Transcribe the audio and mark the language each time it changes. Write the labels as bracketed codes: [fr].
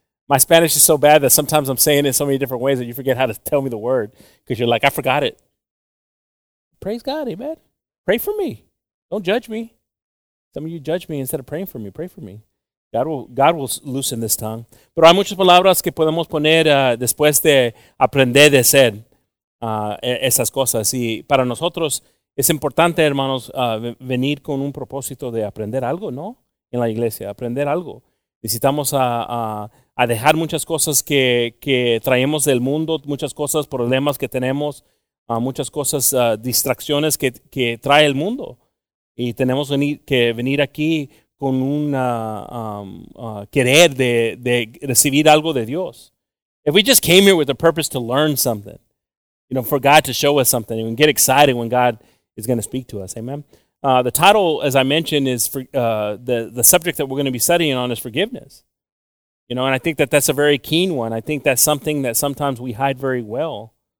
[en] My Spanish is so bad that sometimes I'm saying it so many different ways that you forget how to tell me the word because you're like, I forgot it. Praise God, amen. Pray for me. Don't judge me. Some of you judge me instead of praying for me. Pray for me. God will loosen this tongue. [es] Pero hay muchas palabras que podemos poner después de aprender de ser esas cosas. Y para nosotros es importante, hermanos, venir con un propósito de aprender algo, ¿no? En la iglesia, aprender algo. Necesitamos a dejar muchas cosas que traemos del mundo, muchas cosas, problemas que tenemos, muchas cosas, distracciones que trae el mundo. Y tenemos que venir aquí con un querer de recibir algo de Dios. [en] If we just came here with a purpose to learn something, you know, for God to show us something, and get excited when God is going to speak to us, amen? The title, as I mentioned, is for, the subject that we're going to be studying on is forgiveness. You know, and I think that that's a very keen one. I think that's something that sometimes we hide very well.